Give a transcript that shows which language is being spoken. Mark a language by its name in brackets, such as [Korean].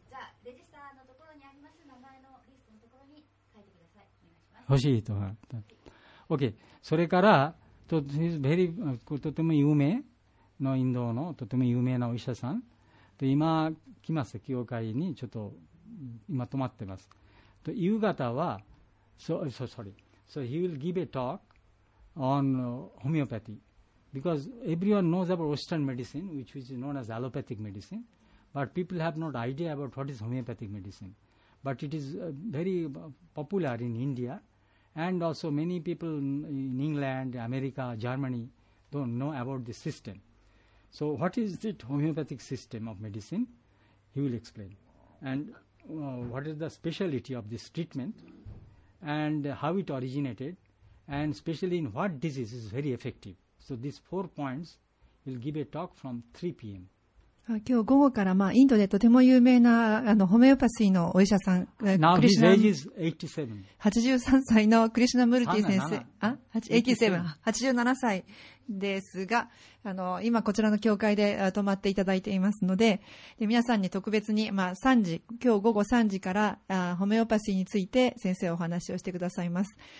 [Japanese] じゃあレジスターのところにあります名前のリストのところに書いてください。お願いします。欲しいと。OK。それからとても有名のインドのとても有名なお医者さんと今来ます、教会にちょっと今泊まってますと。夕方は [English] So he will give a talk on homeopathyBecause everyone knows about Western medicine, which is known as allopathic medicine, but people have not idea about what is homeopathic medicine. But it is very popular in India, and also many people in England, America, Germany don't know about the system. So what is the homeopathic system of medicine? He will explain. And what is the specialty of this treatment, and how it originated, and especially in what disease is very effective.So these four points will give a talk from 3 p.m. [Japanese] 今日午後から、まあ、インドでとても有名なあのホメオパシーのお医者さん、クリシナ83 歳のクリシナムルティ先生、87歳ですが、あの今こちらの教会で泊まっていただいていますの で皆さんに特別に、まあ、今日午後3時からホメオパシーについて先生お話をしてくださいます。